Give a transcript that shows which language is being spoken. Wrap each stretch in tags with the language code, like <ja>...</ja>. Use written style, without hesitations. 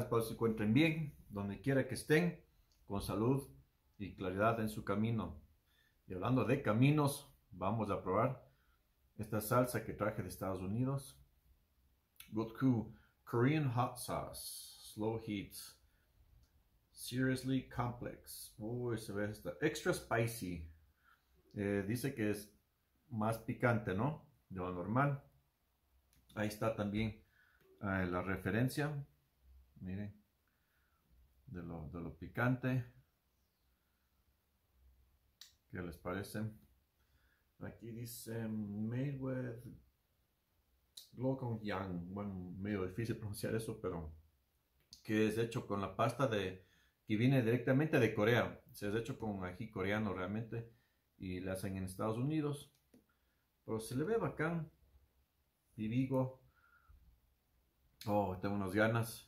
<es>Espero se encuentren bien, donde quiera que estén, con salud y claridad en su camino. Y hablando de caminos, vamos a probar esta salsa que traje de Estados Unidos.</es> <en>Gotku Korean Hot Sauce, Slow Heat, Seriously Complex.</en> <es>Uy, se ve esta.</es> <en>Extra Spicy.</en> <es>Dice que es más picante, ¿no? De lo normal. Ahí está también. La referencia, miren, de lo picante. ¿Qué les parece? Aquí dice</es> <en>made with glaucoma young.</en> <es>Bueno, medio difícil pronunciar eso, pero que es hecho con la pasta de que viene directamente de Corea. Se es hecho con ají coreano realmente y le hacen en Estados Unidos. Pero se le ve bacán y vivo. Oh, tengo unas ganas.</es>